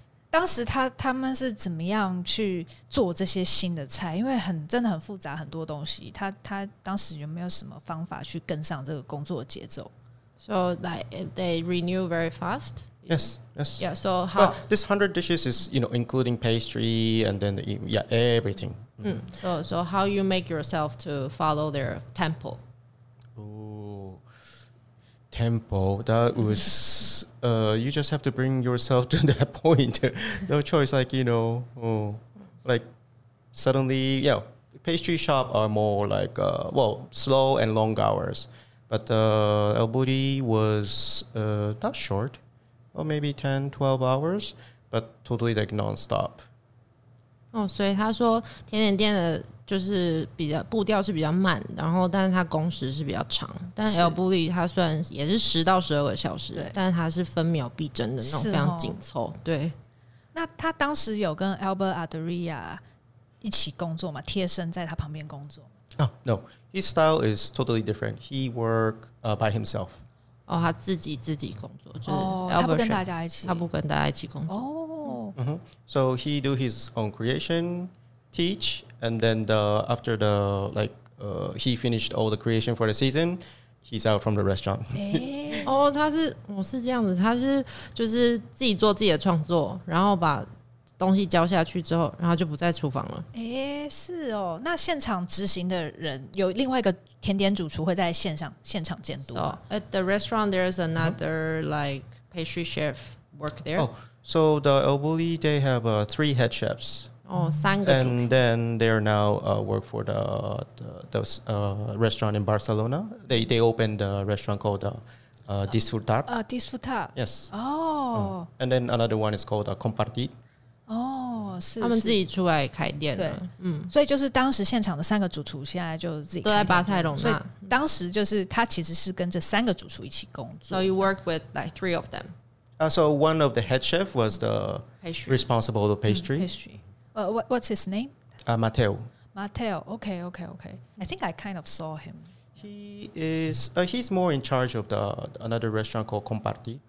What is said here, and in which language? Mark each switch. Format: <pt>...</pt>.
<zh>当时他们是怎么样去做这些新的菜？因为真的很复杂，很多东西。他当时有没有什么方法去跟上这个工作节奏</zh> <en>？So like they renew very fast. Yes, yes. Yeah. So how、 But、this 100 dishes is you know including pastry and then yeah everything. Mm. So how you make yourself to follow their tempo? Ooh, tempo, that was, you just have to bring yourself to that point. No choice, like, you know, like suddenly, yeah, pastry shop are more like, well, slow and long hours. But El Budi was not short, or maybe 10, 12 hours, but totally like nonstop.</en> <zh>哦、所以他说甜点店的就是比较步调是比较慢，然后但是他工时是比较长，但 El Bulli 他算也是10到12个小时，但是他是分秒必争的那种非常紧凑、哦、对。那他当时有跟 Albert Adria 一起工作吗？贴身在他旁边工作、</zh> <en>oh, No, his style is totally different. He work、by himself.</en> <zh>哦，他自己工作、就是 oh, 他不跟大家一起工作 oh. Mm-hmm.</zh> <en>So he do his own creation, teach, and then after the like he finished all the creation for the season, he's out from the restaurant.</en> <zh>哦、欸，oh, 我是这样子，他是就是自己做自己的创作，然后把东西交下去之后，然后就不在厨房了。哎、欸，是哦，那现场执行的人有另外一个甜点主厨会在现场监督。</zh> <en>So, at the restaurant, there's another、mm-hmm. like pastry chef work there.、 Oh. So the El Bulli, they have three head chefs.</en> <zh>Oh, 三个主厨.</zh> <en>And then they are now work for the restaurant in Barcelona. They opened a restaurant called Disfrutar. Disfrutar. Yes. Oh. And then another one is called Compartir. 哦、oh, ，是</en> <zh>他们自己出来开店了。对，嗯，所以就是当时现场的三个主厨现在就自己都在巴塞隆纳。所以当时就是他其实是跟这三个主厨一起工作。</zh> <en>So you work with like three of them. So one of the head chef was the pastry. Responsible of the pastry. Pastry. What's his name? Mateo. Mateo. Okay, okay, okay. I think I kind of saw him. He is, he's more in charge of another restaurant called Comparti.</en>